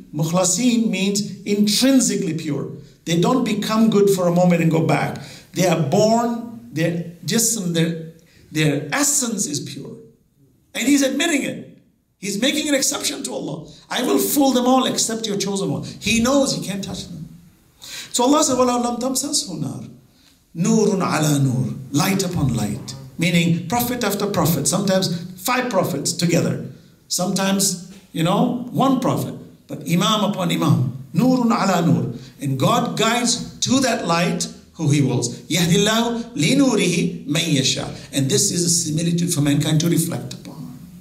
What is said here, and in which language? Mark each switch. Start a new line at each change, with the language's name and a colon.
English: Mukhlaseen means intrinsically pure. They don't become good for a moment and go back. They are born, their jism, their essence is pure. And he's admitting it. He's making an exception to Allah. I will fool them all except your chosen one. He knows he can't touch them. So Allah said,
Arabic: وَلَوْ لَمْ تَمْسَسْهُ نَارٌ نُورٌ عَلَى نُورٌ.
English: Light upon light. Meaning prophet after prophet. Sometimes five prophets together. Sometimes, you know, one prophet. But imam upon imam,
Arabic: nurun ala nur.
English: And God guides to that light who he wills.
Arabic: Yahdillahu li nurihi man yasha.
English: And this is a similitude for mankind to reflect upon.